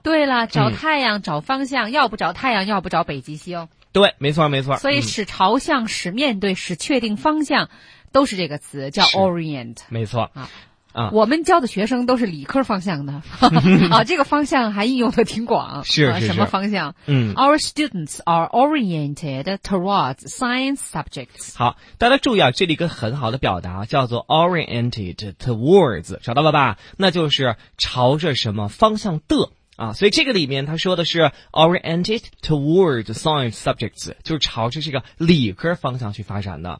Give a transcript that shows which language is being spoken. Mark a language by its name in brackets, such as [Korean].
[Chinese] 对了，找太阳、嗯、找方向，要不找太阳，要不找北极星。对，没错没错。所以使朝向、嗯、使面对、使确定方向，都是这个词叫 orient。没错。啊啊、我们教的学生都是理科方向的啊，这个方向还应用的挺广。是是是、啊、什么方向？嗯 [English] ，Our students are oriented towards science subjects。 [Chinese] 好，大家注意啊，这里一个很好的表达叫做 [English] oriented towards， [Chinese] 找到了吧？那就是朝着什么方向的啊？所以这个里面他说的是 [English] oriented towards science subjects， [Chinese] 就是朝着这个理科方向去发展的。